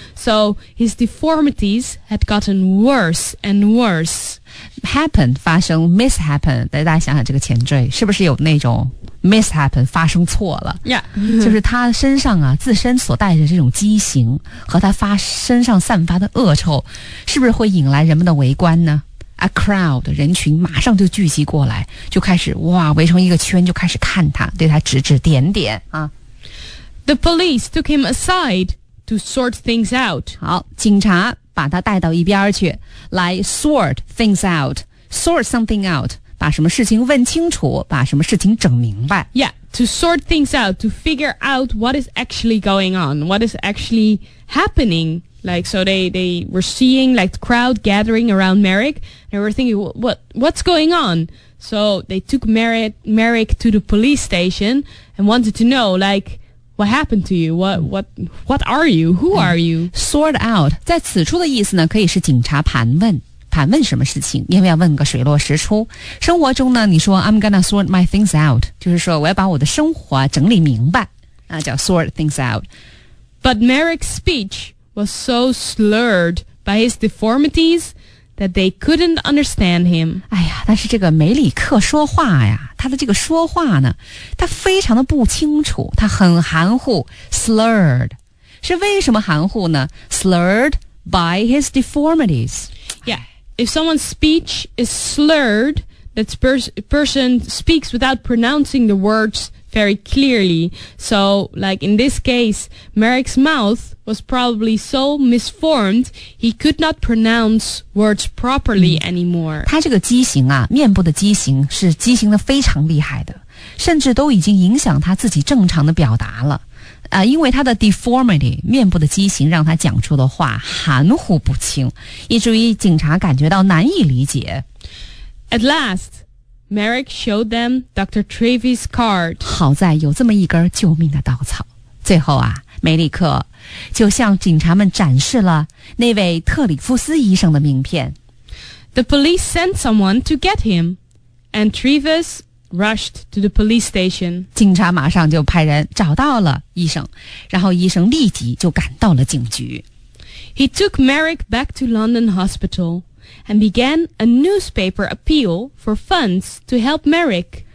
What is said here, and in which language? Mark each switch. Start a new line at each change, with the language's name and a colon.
English: So his deformities had gotten worse and worse.
Chinese: Happen 发生 mishappen， 大家想想这个前缀是不是有那种 mishappen 发生错了、
English: yeah.
Chinese: 就是他身上啊自身所带着这种畸形和他发身上散发的恶臭是不是会引来人们的围观呢？
English: A crowd
Chinese: 人群马上就聚集过来，就开始哇围成一个圈，就开始看他，对他指指点点啊。
English: The police took him aside to sort things out.
Chinese: 好，警察把他带到一边去来
English: sort things out, sort something out,
Chinese: 把什么事情问清楚，把什么事情整明白。
English: Yeah, to sort things out, to figure out what is actually going on, what is actually happening. Like, so they were seeing like the crowd gathering around Merrick, and they were thinking, what's going on? So they took Merrick to the police station and wanted to know, like,What happened to you? What are you? Who are you? Sort out.
Chinese: 在此处的意思呢可以是警察盘问。盘问什么事情，因为要问个水落石出。生活中呢你说
English: I'm gonna sort my things out.
Chinese: 就是说我要把我的生活整理明白。那叫
English: sort things out. But Merrick's speech was so slurred by his deformities that they couldn't understand him.
Chinese: 哎呀，但是这个梅里克说话呀。他的这个说话呢他非常的不清楚，他很含糊 slurred 是为什么含糊呢？
English: slurred by his deformities. Yeah, if someone's speech is slurred, that person speaks without pronouncing the words very clearly. So like in this case, Merrick's mouth was probably so misformed he could not pronounce words properly anymore.
Chinese: 他这个畸形啊，面部的畸形是畸形的非常厉害的，甚至都已经影响他自己正常的表达了。因为他的 deformity, 面部的畸形让他讲出的话含糊不清，以至于警察感觉到难以理解。
English: At last,Merrick showed them Dr. Treves' card.
Chinese: 好在有这么一根救命的稻草。最后啊，梅里克就向警察们展示了那位特里夫斯医生的名片。
English: The police sent someone to get him, and Treves rushed to the police station.
Chinese: 警察马上就派人找到了医生，然后医生立即就赶到了警局。
English: He took Merrick back to London Hospital. And began a newspaper appeal for funds to help Merrick.